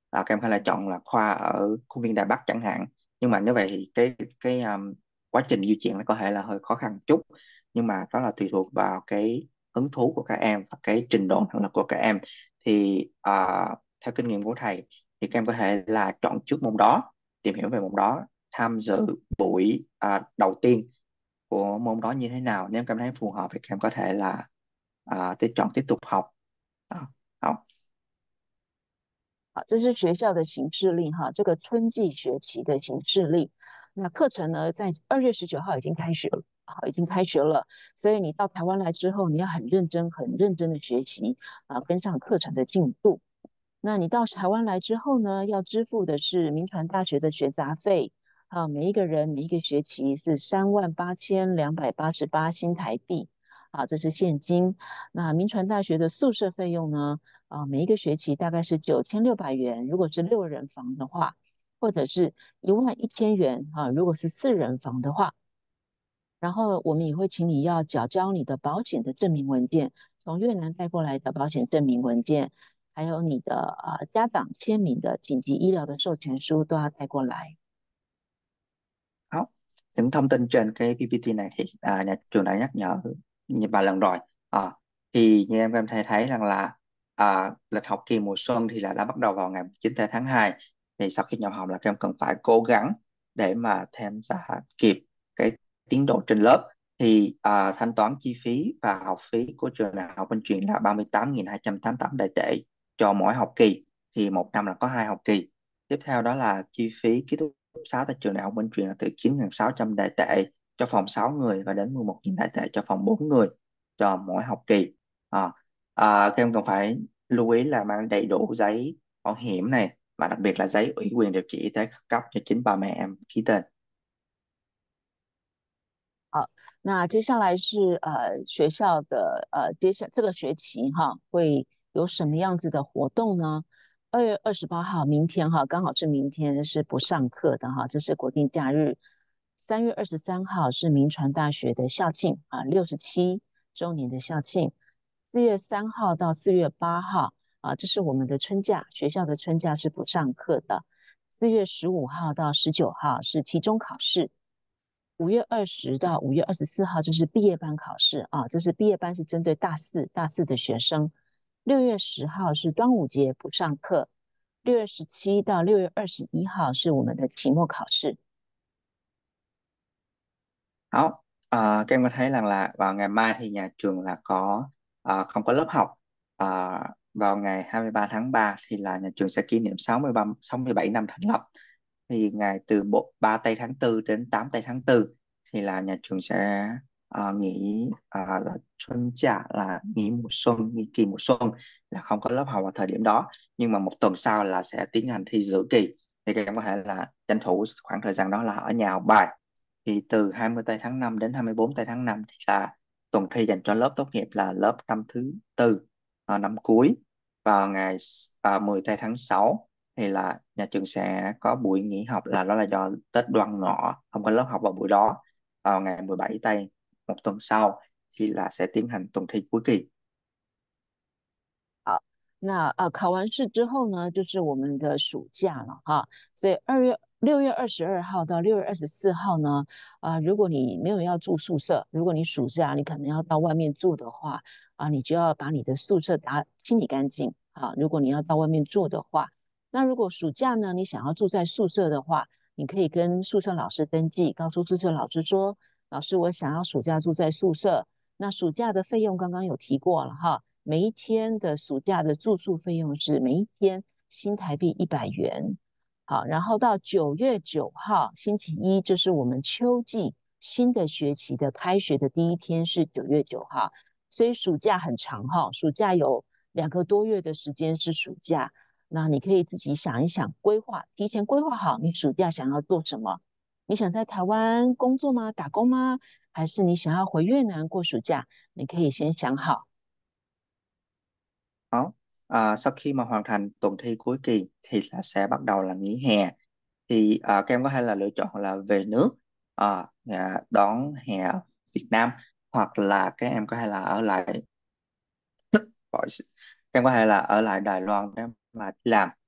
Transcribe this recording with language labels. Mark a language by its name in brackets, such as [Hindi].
[Vietnamese] Các em có thể là chọn là khoa ở khuôn viên Đài Bắc chẳng hạn, nhưng mà nếu vậy thì cái quá trình di chuyển nó có thể là hơi khó khăn chút, nhưng mà đó là tùy thuộc vào cái hứng thú của các em và cái trình độ năng lực của các em. Thì theo kinh nghiệm của thầy thì các em có thể là chọn trước môn đó, tìm hiểu về môn đó, tham dự buổi đầu tiên của môn đó như thế nào, nếu các em thấy phù hợp thì các em có thể là để chọn tiếp tục học. Đó, học. [Chinese] 好，这是学校的行事历哈，这个春季学期的行事历。那课程呢，在2月19号已经开学了，好，已经开学了。所以你到台湾来之后，你要很认真、很认真的学习啊，跟上课程的进度。那你到台湾来之后呢，要支付的是明传大学的学杂费，啊，每一个人每一个学期是38,288新台币，啊，这是现金。那明传大学的宿舍费用呢，啊，每一个学期大概是9,600元，如果是6人房的话，或者是11,000元啊，如果是4人房的话。然后我们也会请你要缴交你的保险的证明文件，从越南带过来的保险证明文件。还有你的家长签名的紧急医疗的授权书都要带过来。 [Vietnamese] Những thông tin trên cái PPT này thì nhà trường đã nhắc nhở như 3 lần rồi. Thì như em thấy thấy rằng là lịch học kỳ mùa xuân thì là đã bắt đầu vào ngày 9 tháng 2. Thì sau khi nhập học là các em cần phải cố gắng để mà tham gia kịp cái tiến độ trên lớp. Thì thanh toán chi phí và học phí của trường đại học bên truyền là 38.288 đại tệ cho mỗi học kỳ. Thì 1 năm là có 2 học kỳ. Tiếp theo đó là chi phí ký túc xá tại trường đại học bên truyền là từ 9.600 đại tệ cho phòng 6 người và đến 11.000 đại tệ cho phòng 4 người cho mỗi học kỳ. Các em cần phải lưu ý là mang đầy đủ giấy bảo hiểm này và đặc biệt là giấy ủy quyền điều trị y tế cấp cho chính ba mẹ em ký tên. [Chinese] 好，那接下来是学校的接下这个学期哈，会有什么样子的活动呢？ 2月28号，明天哈，刚好是明天是不上课的哈，这是国定假日。 3月23号是明传大学的校庆啊，67周年的校庆。 4月3号到4月8号啊，这是我们的春假，学校的春假是不上课的。 4月15号到19号是期中考试。5月20到5月24号，这是毕业班考试啊，这是毕业班是针对大四的学生。 6月10号是端午节不上课，6月17到6月21号是我们的期末考试。 [Vietnamese] Đó, các em có thấy rằng là vào ngày mai thì nhà trường là có không có lớp học. Vào ngày 23 tháng 3 thì là nhà trường sẽ kỷ niệm 63, 67 năm thành lập. Thì ngày từ 3 Tây tháng 4 đến 8 Tây tháng 4 thì là nhà trường sẽ nghỉ là xuân giả, là nghỉ mùa xuân, nghỉ kỳ mùa xuân, là không có lớp học vào thời điểm đó. Nhưng mà 1 tuần sau là sẽ tiến hành thi giữa kỳ. Thì các em có thể là tranh thủ khoảng thời gian đó là ở nhà học bài. Thì từ 20 Tây tháng 5 đến 24 Tây tháng 5 thì là tuần thi dành cho lớp tốt nghiệp là lớp năm thứ tư, năm cuối. Vào ngày 10 Tây tháng 6 thì là nhà trường sẽ có buổi nghỉ học, là đó là do Tết Đoan Ngọ, không có lớp học vào buổi đó. Vào ngày 17 Tây, 1 tuần sau thì là sẽ tiến hành tuần thi cuối kỳ. [Chinese] 那考完试之后呢，就是我们的暑假了哈。所以6月22号到6月24号呢，如果你没有要住宿舍，如果你暑假你可能要到外面住的话，你就要把你的宿舍清理干净啊。如果你要到外面住的话，那如果暑假呢，你想要住在宿舍的话，你可以跟宿舍老师登记，告诉宿舍老师说，老师我想要暑假住在宿舍。那暑假的费用刚刚有提过了哈。每一天的暑假的住宿费用是每一天新台币100元。好，然后到9月9号星期一，这是我们秋季新的学期的开学的第一天，是9月9号。所以暑假很长哈，暑假有2个多月的时间是暑假。那你可以自己想一想，规划，提前规划好你暑假想要做什么。你想在台湾工作吗？打工吗？还是你想要回越南过暑假？你可以先想好。 [Vietnamese] Đó. Sau khi mà hoàn thành tuần thi cuối kỳ thì là sẽ bắt đầu là nghỉ hè. Thì các em có thể là lựa chọn là về nước đón hè ở Việt Nam, hoặc là các em có thể là ở lại các em có thể là ở lại Đài Loan để mà làm.